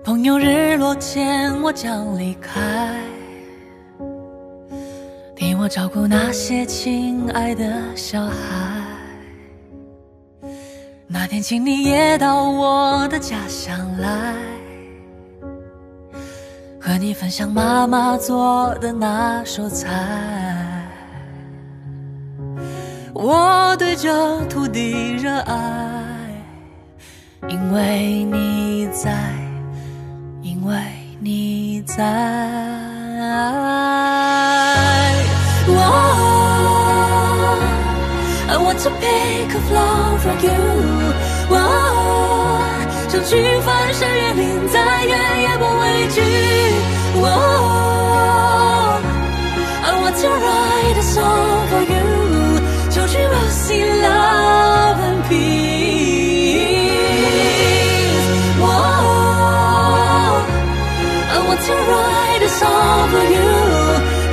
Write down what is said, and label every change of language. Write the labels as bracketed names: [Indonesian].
[Chinese] 朋友日落前我将离开，替我照顾那些亲爱的小孩，那天请你也到我的家乡来，和你分享妈妈做的那手菜，我对这土地热爱，因为你在，因为你在。 [English] Oh, I want to pick up love from you. [Chinese] Oh, 想去翻山越岭再远也不畏惧。 [English] Oh, I want to write a song for you. [Chinese] 求君 [English] will see love and peace. Oh, I want to write a song for you.